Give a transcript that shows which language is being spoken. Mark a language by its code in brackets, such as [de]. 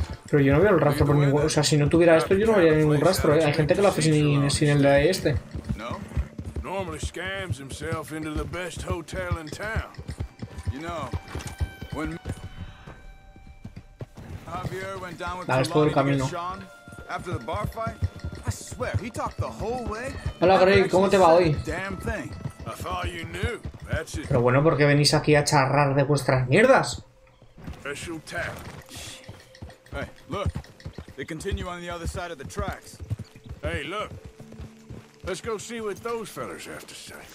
[es] Pero yo no veo el rastro por ningún... O sea, si no tuviera esto, yo no vería ningún rastro. Hay gente que lo hace sin el de este. No. [en] Normally scams himself into the best hotel in town. You know, when Javier went down with Trelawney and Sean after the bar fight, I swear, he talked the whole way. [es] Hola, Greg, ¿cómo te va hoy? [en] Damn thing. I thought you knew. That's it. [es] Pero bueno, ¿por qué venís aquí a charrar de vuestras mierdas? [en] Special tap. Hey, look. They continue on the other side of the tracks. Hey, look. Let's go see what those fellas have to say.